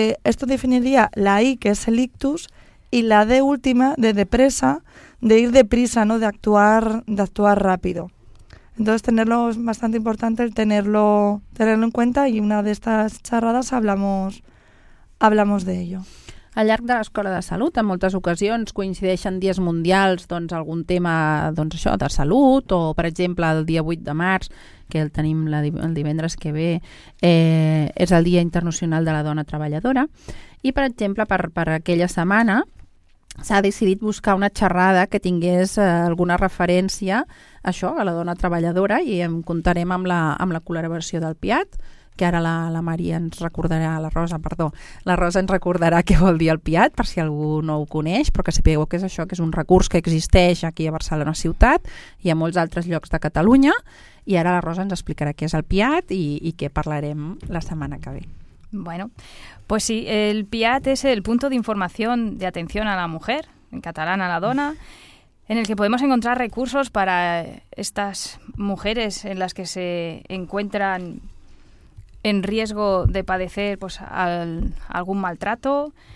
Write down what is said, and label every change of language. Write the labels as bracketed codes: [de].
[es] Esto definiría la I, que es el ictus, y la D última, de depresa, de ir deprisa, ¿no? de actuar rápido. Entonces tenerlo es bastante importante, el tenerlo en cuenta, y una de estas charradas hablamos de ello. [ca] Al llarg de l'Escola de Salut, en moltes ocasions coincideixen dies mundials, doncs algun tema, doncs això, de salut, o per exemple el dia 8 de març, que el tenim el divendres que ve, és el Dia Internacional de la Dona Treballadora, i per exemple per aquella setmana s'ha decidit buscar una xerrada que tingués alguna referència a això, a la dona treballadora, i em contarem amb la col·laboració del PIAT, que ara la Maria ens recordarà, la Rosa ens recordarà què vol dir el PIAT, per si algú no ho coneix, però que sapigueu que és això, que és un recurs que existeix aquí a Barcelona Ciutat i a molts altres llocs de Catalunya, i ara la Rosa ens explicarà què és el PIAT i què parlarem la setmana que ve. [es] Bueno, pues sí, el PIAT es el punto de información de atención a la mujer, en catalán a la dona, en el que podemos encontrar recursos para estas mujeres en las que se encuentran en riesgo de padecer pues algún maltrato.